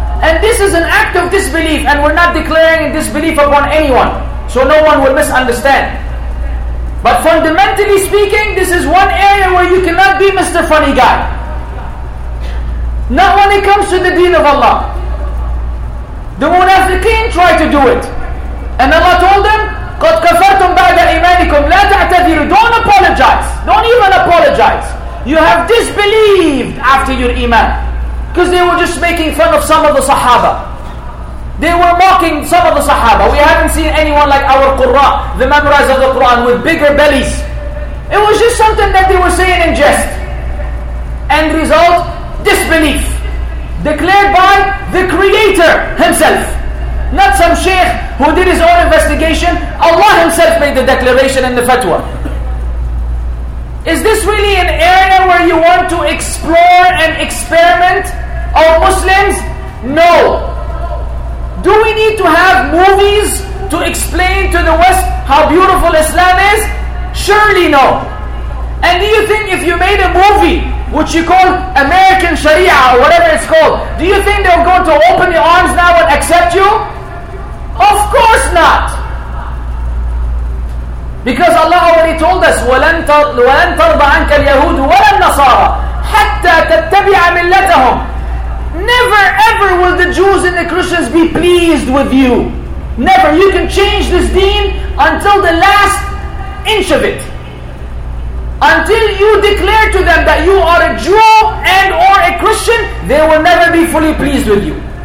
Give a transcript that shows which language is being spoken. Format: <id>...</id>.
<en>And this is an act of disbelief, and we're not declaring disbelief upon anyone, so no one will misunderstand. But fundamentally speaking, this is one area where you cannot be Mr. Funny Guy. Not when it comes to the deen of Allah. The munafiqeen tried to do it. And Allah told them,</en> <ar>قَدْ كَفَرْتُمْ بَعْدَ إِمَانِكُمْ لَا تَعْتَذِرُوا.</ar> <en>Don't apologize. Don't even apologize. You have disbelieved after your iman. Because they were just making fun of some of the Sahaba. They were mocking some of the Sahaba. We haven't seen anyone like our Qurra, the memorizer of the Quran, with bigger bellies. It was just something that they were saying in jest. End result, disbelief. Declared by the Creator Himself. Not some sheikh who did his own investigation. Allah Himself made the declaration in the fatwa. Is this really an area where you want to explore and experiment, our Muslims? No. Do we need to have movies to explain to the West how beautiful Islam is? Surely no. And do you think if you made a movie, which you call American Sharia or whatever it's called, do you think they're going to open their arms now and accept you? Of course not. Because Allah already told us,</en> <ar>وَلَنْ تَرْضَ عَنْكَ الْيَهُودُ وَلَا النَّصَارَى حَتَّى تَتَّبِعَ مِلَّتَهُمْ.</ar> <en>Never ever will the Jews and the Christians be pleased with you. Never. You can change this deen until the last inch of it. Until you declare to them that you are a Jew and or a Christian, they will never be fully pleased with you.</en>